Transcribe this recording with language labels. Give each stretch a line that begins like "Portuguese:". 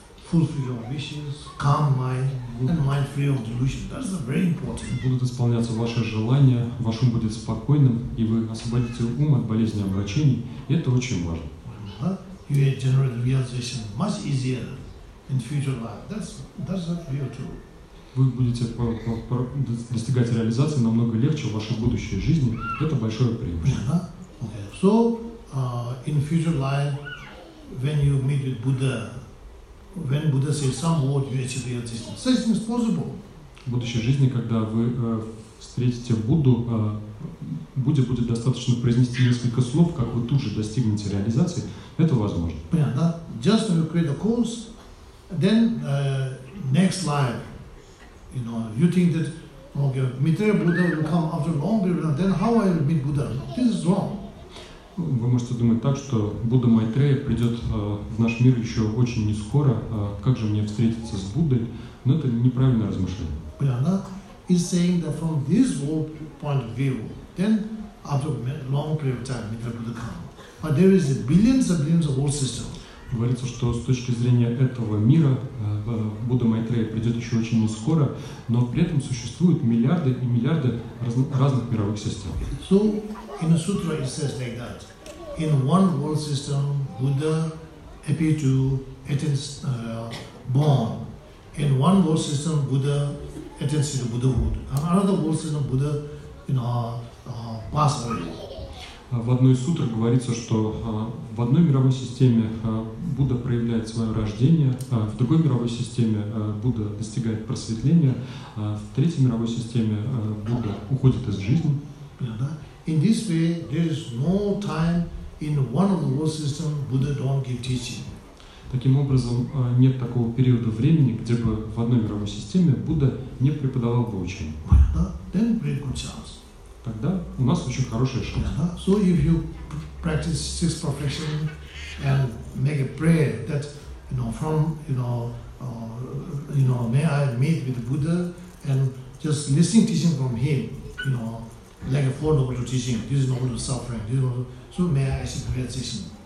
English: Fulfill your wishes, calm mind, and mind free of delusion. That's very important.
Russian: Будут исполняться ваши желания, ваш ум будет спокойным, и вы освободите ум от болезни омрачений. Это очень важно.
English: You will generate realization much easier in future life. That's real too.
Russian: Вы будете достигать реализации намного легче в вашей будущей жизни. Это большое преимущество.
English: Okay. So, in future life, when you meet with Buddha. When Buddha says some word, you achieve your distance. Such thing is possible.
Russian: В будущей жизни, когда вы встретите Будду, Будде будет достаточно произнести несколько слов, как вы тут же достигнете реализации, это возможно. Понятно?
English: Just when you create a course, then next life, you know, you think that, okay, Maitreya Buddha will come after long period, then how I will meet Buddha? This is wrong.
Russian: Вы можете думать так, что Будда Майтрея придет в наш мир еще очень не скоро. Как же мне встретиться с Буддой? Но это неправильное размышление. Понятно?
English: He's saying that from this world point of view, then after a long period of time, Maitreya Buddha come. But there is billions and billions of world systems.
Russian: Говорится, что с точки зрения этого мира Будда Майтрея придет еще очень не скоро, но при этом существуют миллиарды и миллиарды разных мировых систем.
English: So, in a sutra it says like that. In one world system, Buddha appeared to attains born. In one world system, Buddha attains to the Buddhahood. In another world system, Buddha, you know, passed away.
Russian: В одной из сутр говорится, что в одной мировой системе Будда проявляет свое рождение, в другой мировой системе Будда достигает просветления, в третьей мировой системе Будда уходит из жизни.
English: In this way, there is no time in one of the world system Buddha don't give teaching.
Russian: Таким образом, нет такого периода времени, где бы в одной мировой системе Будда не преподавал бы учение.
English: Then very good chance.
Russian: Тогда у нас очень хорошая шанс.
English: Yeah, so if you practice six perfection and make a prayer that, you know, from, you know, may I meet with Buddha and just listening teaching from him, you know, like a four noble teaching, this is noble suffering, this is noble, so may I achieve realization.